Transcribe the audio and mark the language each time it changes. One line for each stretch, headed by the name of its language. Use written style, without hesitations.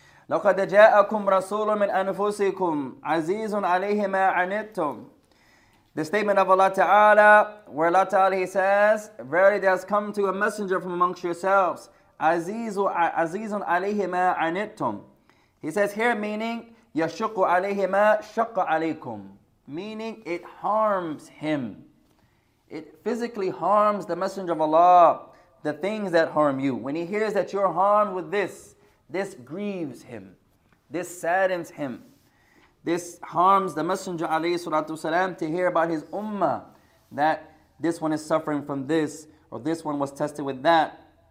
Arabic: لقد جاءكم رسول من أنفسكم عزيز عليه ما عنتم.
English: The statement of Allah Ta'ala, where Allah Ta'ala He says, Verily there has come to a messenger from amongst yourselves,
Arabic: عزيز عليه ما عنتم.
English: He says here meaning,
Arabic: يشق عليه ما شق عليكم.
English: Meaning it harms him. It physically harms the messenger of Allah. the things that harm you. When he hears that you're harmed with this, this grieves him. This saddens him. This harms the Messenger alayhi salatu wasalam to hear about his ummah that this one is suffering from this, or this one was tested with that.